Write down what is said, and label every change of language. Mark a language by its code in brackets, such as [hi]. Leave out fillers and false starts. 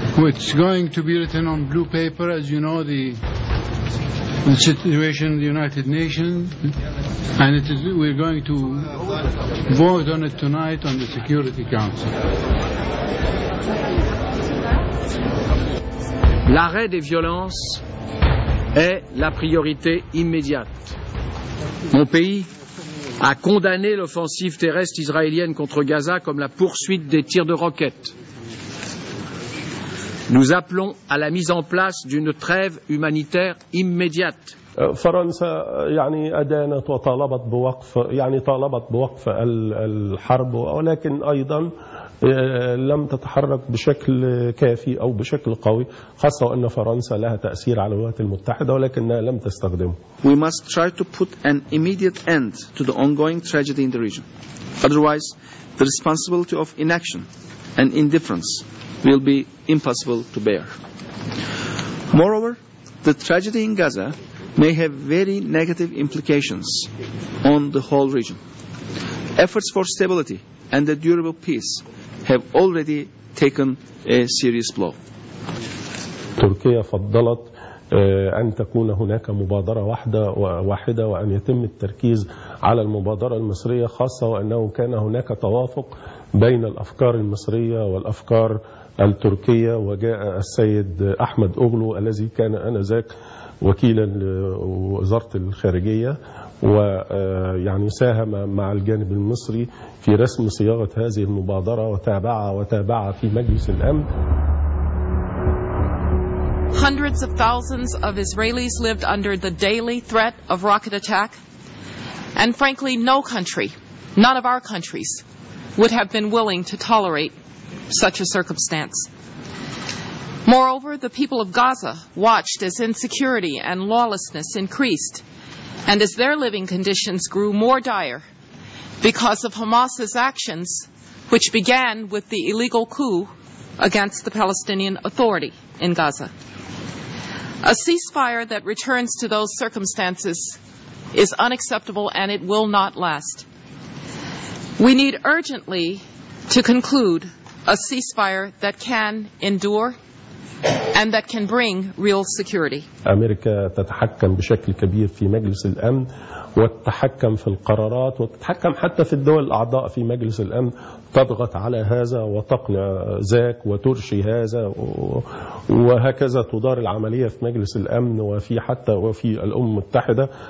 [en] It's going to be written on blue paper, as you know, the the situation in the United Nations, and it is, we're going to vote on it tonight on the Security Council. [fr] L'arrêt des violences est la priorité immédiate. Mon pays a condamné l'offensive terrestre israélienne contre Gaza comme la poursuite des tirs de roquettes. Nous appelons à la mise en place d'une trêve humanitaire immédiate. [ar] فرنسا يعني أدانت وطالبت بوقف يعني طالبت بوقف الحرب ولكن أيضا لم تتحرك بشكل كافي أو بشكل قوي خاصة أن فرنسا لها تأثير على الولايات المتحدة ولكنها لم تستخدمه. [en] We must try to put an immediate end to the ongoing tragedy in the region. Otherwise, the responsibility of inaction and indifference will be impossible to bear. Moreover, the tragedy in Gaza may have very negative implications on the whole region. Efforts for stability and a durable peace have already taken a serious blow. [ar] تركيا فضلت أن تكون هناك مبادرة واحدة وأن يتم التركيز على المبادرة المصرية خاصة وأنه كان هناك توافق بين الأفكار المصرية والأفكار التركية وجاء السيد أحمد أوغلو الذي كان آنذاك وكيلا لوزارة الخارجية ويعني ساهم مع الجانب المصري في رسم صياغة هذه المبادرة وتابعها في مجلس الأمن. [en] Hundreds of thousands of Israelis lived under the daily threat of rocket attack, and frankly, no country, none of our countries, would have been willing to tolerate such a circumstance. Moreover, the people of Gaza watched as insecurity and lawlessness increased, and as their living conditions grew more dire because of Hamas's actions, which began with the illegal coup against the Palestinian Authority in Gaza. A ceasefire that returns to those circumstances is unacceptable and it will not last. We need urgently to conclude a ceasefire that can endure and that can bring real security. [ar] أمريكا تتحكم بشكل كبير في مجلس الأمن وتتحكم في القرارات وتتحكم حتى في الدول الأعضاء في مجلس الأمن تضغط على هذا وتقنع ذاك وترشي هذا وهكذا تدار العملية في مجلس الأمن وفي حتى وفي الأمم المتحدة.